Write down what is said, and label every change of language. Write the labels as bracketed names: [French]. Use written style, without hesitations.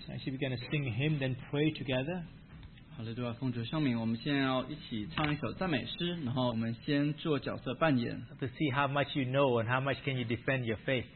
[English] I should begin to sing a hymn, then pray together. Hallelujah. [Chinese] 奉主圣名, 我们现在要一起唱一首赞美诗, 然后我们先做角色扮演, [English] to see how much you know and how much can you defend your faith.